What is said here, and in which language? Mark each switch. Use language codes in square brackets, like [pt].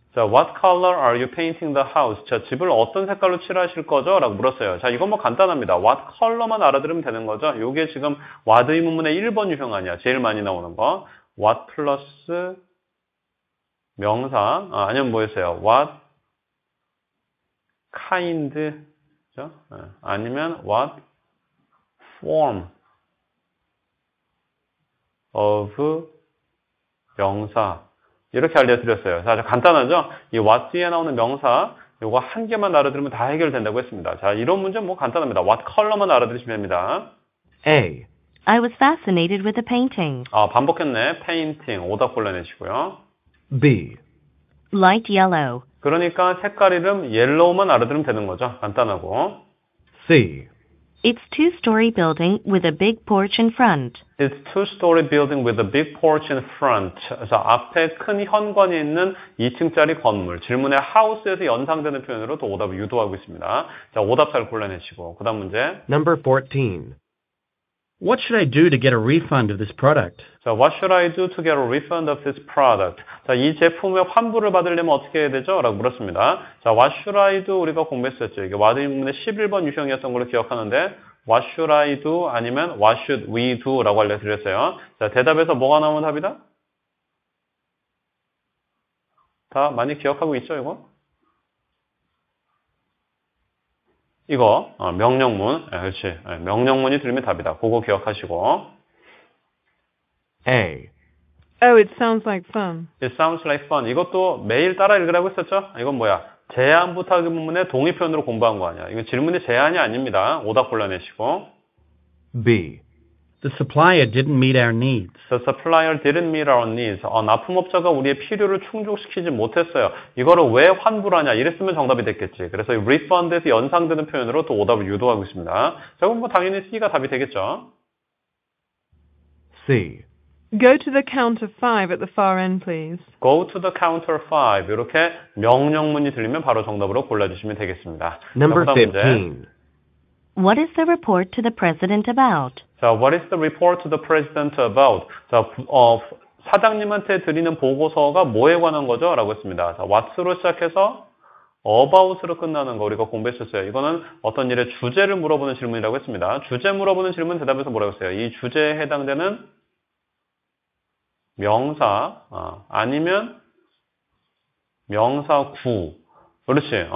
[en] 자, what color are you painting the house? [ko] 자, 집을 어떤 색깔로 칠하실 거죠? 라고 물었어요. 자, 이건 뭐 간단합니다. [en] what color [ko] 만 알아들으면 되는 거죠. 이게 지금 what 의문문의 1번 유형 아니야. 제일 많이 나오는 거. what plus 명사, 아니면 뭐였어요? [en] What kind, 그렇죠? [ko] 아니면 what form of 명사. 이렇게 알려드렸어요. 자, 간단하죠? 이 what 뒤에 나오는 명사, 이거 한 개만 알아들으면 다 해결된다고 했습니다. 자, 이런 문제 뭐 간단합니다. [en] What color [ko] 만 알아들으시면 됩니다. [en] A. I was fascinated with the painting. [ko] 아, 반복했네. painting. 오답 골라내시고요. [en] B. Light yellow. [ko] 그러니까 색깔 이름 yellow만 알아들으면 되는 거죠. 간단하고. [en] C. It's two-story building with a big porch in front. It's two-story building with a big porch in front. [ko] 그래서 앞에 큰 현관이 있는 2층짜리 건물. 질문에 house에서 연상되는 표현으로 또 오답을 유도하고 있습니다. 자, 오답 잘 골라내시고. 그 다음 문제. [en] Number 14. What should I do to get a refund of this product? 자, what should I do to get a refund of this product? [ko] 자, 이 제품의 환불을 받으려면 어떻게 해야 되죠? 라고 물었습니다. 자, [en] what should I do? [ko] 우리가 공부했었죠. 이게 what 의문문의 11번 유형이었던 걸로 기억하는데 what should I do? [en] 아니면 what should we do? [ko] 라고 알려드렸어요. 자, 대답에서 뭐가 나오면 답이다? 다 많이 기억하고 있죠, 이거? 이거 명령문, 그렇지. 명령문이 들리면 답이다. 그거 기억하시고. [en] A. Oh, it sounds like fun. It sounds like fun. [ko] 이것도 매일 따라 읽으라고 했었죠? 이건 뭐야? 제안 부탁 의문문의 동의 표현으로 공부한 거 아니야? 이거 질문이 제안이 아닙니다. 오답 골라내시고. [en] B. The supplier didn't meet our needs. The supplier didn't meet our needs. [ko] 납품업자가 우리의 필요를 충족시키지 못했어요. 이거를 왜 환불하냐? 이랬으면 정답이 됐겠지. 그래서 refund에서 연상되는 표현으로 또 오답을 유도하고 있습니다. 자, 그럼 뭐 당연히 C가 답이 되겠죠. [en] C. Go to the counter 5 at the far end, please. Go to the counter 5. [ko] 이렇게 명령문이 들리면 바로 정답으로 골라주시면 되겠습니다. [en] Number 15. What is the report to the president about? So what is the report to the president about? [ko] 자, 사장님한테 드리는 보고서가 뭐에 관한 거죠? 라고 했습니다. 자, what's로 시작해서 about으로 끝나는 거 우리가 공부했었어요. 이거는 어떤 일의 주제를 물어보는 질문이라고 했습니다. 주제 물어보는 질문 대답해서 뭐라고 했어요? 이 주제에 해당되는 명사, 아니면 명사구. 그렇지.